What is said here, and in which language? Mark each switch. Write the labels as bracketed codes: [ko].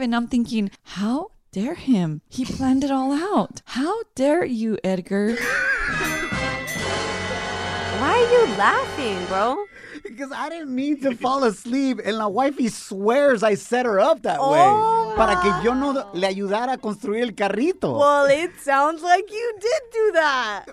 [en] And I'm thinking, how dare him? He planned it all out. How dare you, Edgar? Why are you laughing, bro? Because I didn't mean to fall asleep, and la wifey swears I set her up that way. [es] Para que yo no le ayudara a construir el carrito. [en] Well, it sounds like you did do that.